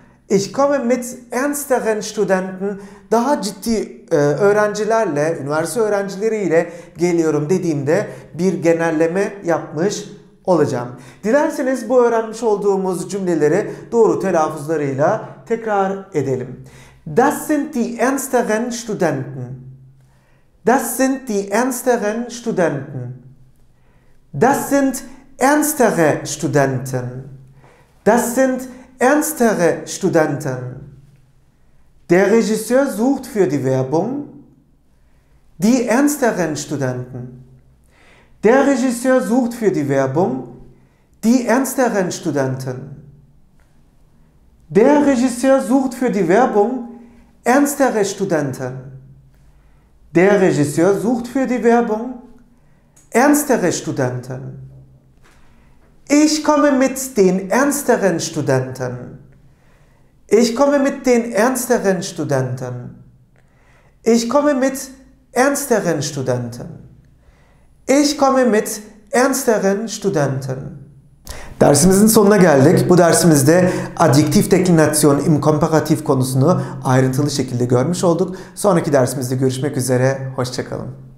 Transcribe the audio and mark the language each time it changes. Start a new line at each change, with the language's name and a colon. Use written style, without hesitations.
German: Ich komme mit ernsteren Studenten,
Turkish: daha ciddi öğrencilerle, üniversite öğrencileriyle geliyorum dediğimde bir genelleme yapmış olacağım. Dilerseniz bu öğrenmiş olduğumuz cümleleri doğru telaffuzlarıyla tekrar edelim.
German: Das sind die ernsteren Studenten. Das sind die ernsteren Studenten. Das sind ernstere Studenten. Das sind ernstere Studenten. Der Regisseur sucht für die Werbung die ernsteren Studenten. Der Regisseur sucht für die Werbung die ernsteren Studenten. Der Regisseur sucht für die Werbung ernstere Studenten. Der Regisseur sucht für die Werbung ernstere Studenten. Ich komme mit den ernsteren Studenten. Ich komme mit den ernsteren Studenten. Ich komme mit ernsteren Studenten. Ich komme mit ernsteren Studenten.
Turkish: Dersimizin sonuna geldik. Bu dersimizde adjektif deklinasyon im komparativ konusunu ayrıntılı şekilde görmüş olduk. Sonraki dersimizde görüşmek üzere. Hoşça kalın.